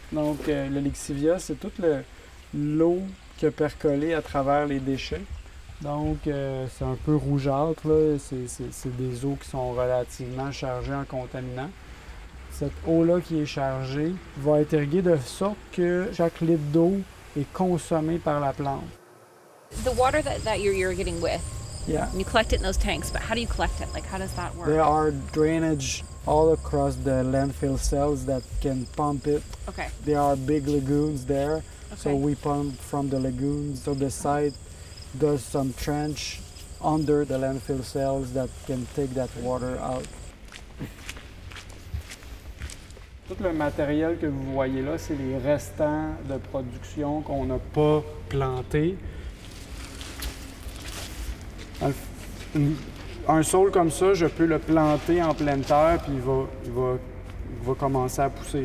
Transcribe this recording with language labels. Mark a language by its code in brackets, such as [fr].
[fr] Donc, le lixivia, c'est toute l'eau qui a percolé à travers les déchets. Donc, c'est un peu rougeâtre, là. C'est des eaux qui sont relativement chargées en contaminants. Cette eau-là qui est chargée va être irriguée de sorte que chaque litre d'eau est consommé par la plante. [en] The water that you're irrigating with, yeah. You collect it in those tanks, but how do you collect it? Like, how does that work? There are drainage all across the landfill cells that can pump it. Okay. There are big lagoons there. Okay. So we pump from the lagoons. So the site does some trench under the landfill cells that can take that water out. [fr] Tout le matériel que vous voyez là, c'est les restants de production qu'on n'a pas planté. Un sol comme ça, je peux le planter en pleine terre, puis il va commencer à pousser.